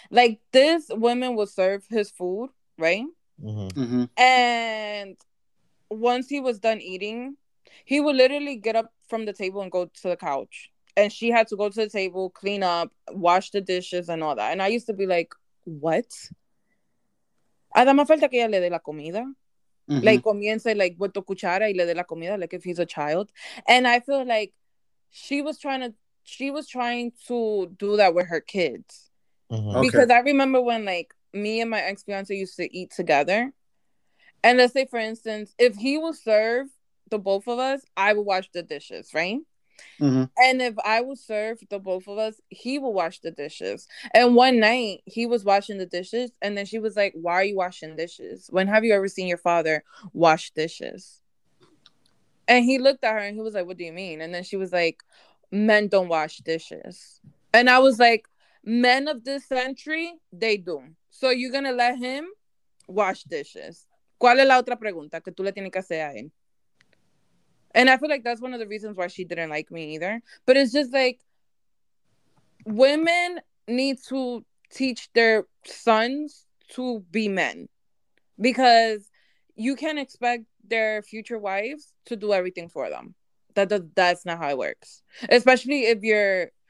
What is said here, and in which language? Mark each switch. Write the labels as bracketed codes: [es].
[en] Like, this woman would serve his food, right? Mm-hmm. Mm-hmm. And once he was done eating, he would literally get up from the table and go to the couch. And she had to go to the table, clean up, wash the dishes and all that. And I used to be like, what? [es] Nada más falta que ella le dé la comida. [en] Mm-hmm. Like, [es] comience, [en] like, with the [es] cuchara y le de la comida, [en] like, if he's a child. And I feel like she was trying to do that with her kids. Mm-hmm. Because okay. I remember when, like, me and my ex-fiance used to eat together. And let's say, for instance, if he would serve the both of us, I would wash the dishes, right? Mm-hmm. And if I would serve the both of us, he would wash the dishes. And one night he was washing the dishes, and then she was like, why are you washing dishes? When have you ever seen your father wash dishes? And he looked at her and he was like, what do you mean? And then she was like, men don't wash dishes. And I was like, men of this century, they do. So you're gonna let him wash dishes? [es] ¿Cuál es la otra pregunta que tú le tienes que hacer a él? [en] And I feel like that's one of the reasons why she didn't like me either. But it's just like, women need to teach their sons to be men. Because you can't expect their future wives to do everything for them. That's not how it works. Especially if you're